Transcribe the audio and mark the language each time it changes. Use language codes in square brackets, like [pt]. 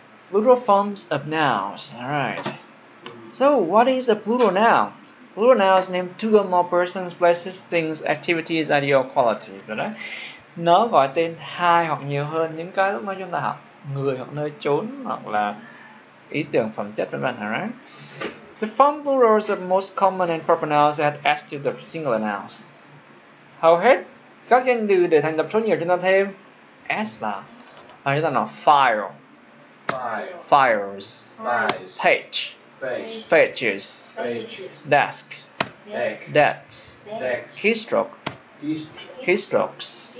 [en] Plural forms of nouns. Alright. So, what is a plural noun? Plural nouns name two or more persons, places, things, activities, ideas, qualities. Alright. [vi] Nó gọi tên hai hoặc nhiều hơn những cái lúc mà chúng ta học. Người hoặc nơi chốn hoặc là ý tưởng, phẩm chất, vân vân. [en] Alright. The form plurals are most common and proper nouns that add to the singular nouns. [vi] Hầu hết các danh từ để thành lập số nhiều chúng ta thêm s vào. Và chúng ta nói file, [en] files, page, pages, desk, decks, keystrokes.